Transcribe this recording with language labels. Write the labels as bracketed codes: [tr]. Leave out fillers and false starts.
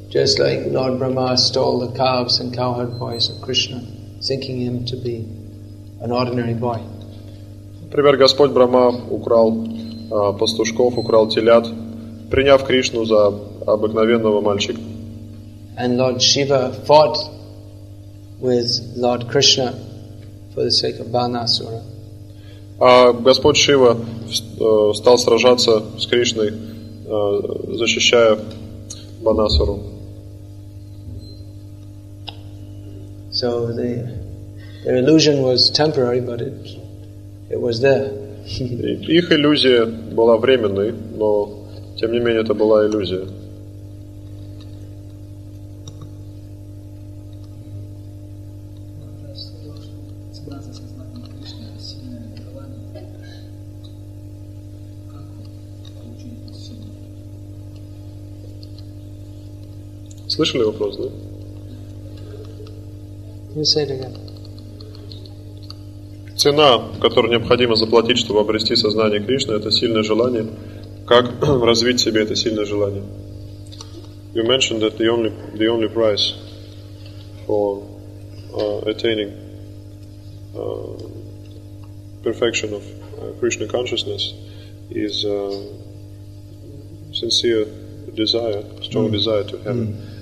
[en] Just like Lord Brahma stole the calves and cowherd boys of Krishna, thinking him to be an ordinary boy. [ru] Например, Господь Брахма украл пастушков, украл телят, приняв Кришну за обыкновенного мальчика. [en] And Lord Shiva fought with Lord Krishna for the sake of Banasura. [ru] А Господь Шива стал сражаться с Кришной, защищая Банасуру. [en] So the illusion was temporary, but it was there. [ru] Их иллюзия была временной, но тем не менее это была иллюзия. Слышали вопрос, да? [en] You say it again. [ru] Цена, которую необходимо заплатить, чтобы обрести сознание Кришны, это сильное желание. Как развить в себе это сильное желание? [en] You mentioned that the only price for attaining perfection of Krishna consciousness is sincere desire, strong desire to heaven.